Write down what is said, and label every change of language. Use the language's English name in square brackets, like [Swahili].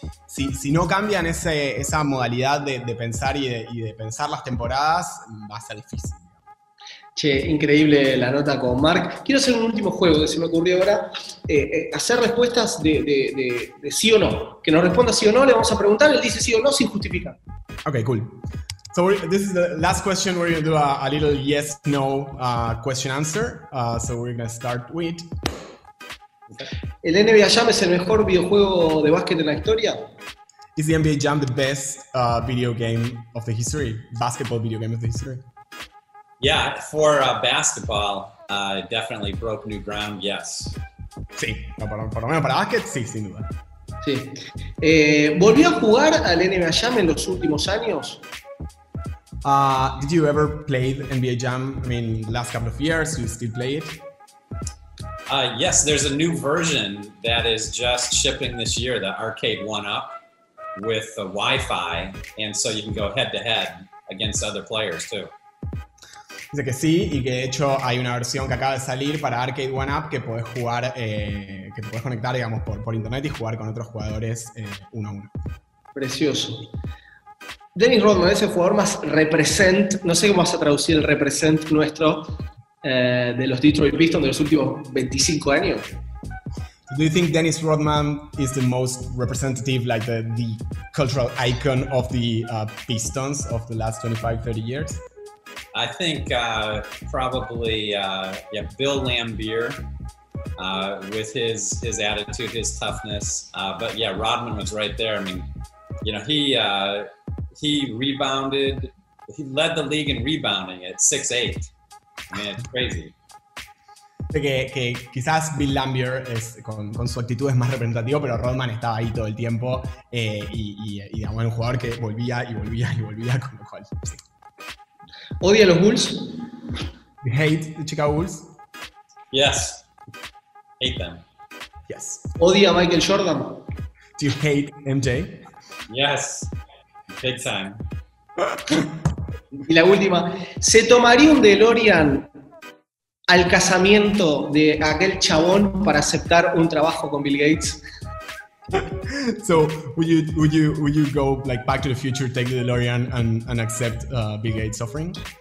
[Spanish] Si no cambian esa modalidad de pensar y de pensar las temporadas, va a ser difícil. Che, increíble la nota con Mark. Quiero hacer un último juego que se me ocurrió ahora. Hacer respuestas de sí o no. Que nos responda sí o no, le vamos a preguntar, él dice sí o no sin justificar. [English] Ok, cool. So this is the last question where you do a little yes, no question answer. So we're going to start with... [Spanish] ¿El NBA Jam es el mejor videojuego de básquet en la historia? [English] Is the NBA Jam the best video game of the history? Basketball video game of the history? Yeah, for basketball, definitely broke new ground, yes. [Spanish] Sí, por lo menos para básquet, sí, sin duda. Sí. ¿Volvió a jugar al NBA Jam en los últimos años? [English] Did you ever play NBA Jam? I mean, the last couple of years, you still play it? Yes, there's a new version that is just shipping this year, the Arcade 1-Up, with the Wi-Fi, and so you can go head-to-head against other players, too. [Spanish] Dice que sí, y que de hecho hay una versión que acaba de salir para Arcade 1-Up que puedes jugar, que te puedes conectar, digamos, por internet y jugar con otros jugadores 1-1. Precioso. Dennis Rodman es el jugador más represent, no sé cómo vas a traducir el represent nuestro, de los Detroit Pistons de los últimos 25 años. [English] Do you think Dennis Rodman is the most representative, like the cultural icon of the Pistons of the last 25-30 years? I think probably Bill Laimbeer with his attitude, his toughness. But yeah, Rodman was right there. I mean, you know, he led the league in rebounding at 6'8". Man, crazy. [Spanish] Que quizás Bill Laimbeer es con su actitud es más representativo, pero Rodman estaba ahí todo el tiempo y digamos, era un jugador que volvía y volvía y volvía con lo cual. Sí. ¿Odia los Bulls? [English] You hate the Chicago Bulls? Yes. Hate them. Yes. [Spanish] ¿Odia a Michael Jordan? [English] Do you hate MJ? Yes. Big time. [Spanish] Y la última, ¿se tomaría un DeLorean al casamiento de aquel chabón para aceptar un trabajo con Bill Gates? [English] So, would you go like back to the future, take the DeLorean and accept Bill Gates' offering?